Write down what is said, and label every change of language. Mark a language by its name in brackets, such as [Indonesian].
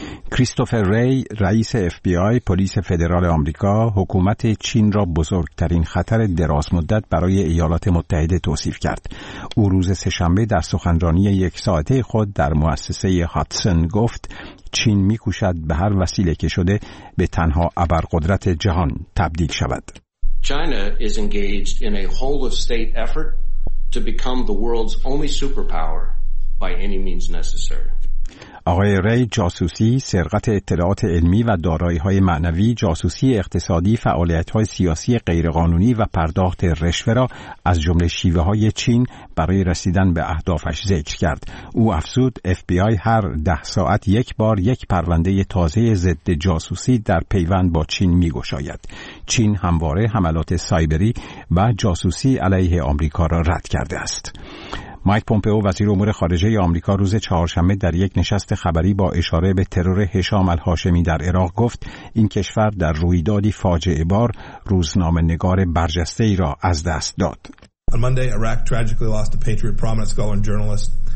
[Persian] کریستوفر ری رئیس FBI پلیس فدرال آمریکا حکومت چین را بزرگترین خطر درازمدت برای ایالات متحده توصیف کرد. او روز سه‌شنبه در سخنرانی یک ساعته خود در مؤسسه هاتسون گفت چین می‌کوشد به هر وسیله که شده به تنها ابرقدرت جهان تبدیل شود. [English] China is engaged in a whole of state effort to become the world's only superpower by any means necessary. [Persian] آقای ری جاسوسی، سرقت اطلاعات علمی و دارایی‌های معنوی، جاسوسی اقتصادی، فعالیت‌های سیاسی غیرقانونی و پرداخت رشوه را از جمله شیوه‌های چین برای رسیدن به اهدافش ذکر کرد. او افزود FBI هر 10 ساعت یک بار یک پرونده تازه ضد جاسوسی در پیوند با چین می‌گشاید. چین همواره حملات سایبری و جاسوسی علیه آمریکا را رد کرده است. مایک پومپئو وزیر امور خارجه آمریکا روز چهارشنبه در یک نشست خبری با اشاره به ترور هشام الهاشمی در عراق گفت این کشور در رویدادی فاجعه بار روزنامه نگار برجسته ای را از دست داد. [English] On Monday, Iraq tragically lost a patriot, prominent scholar and journalist.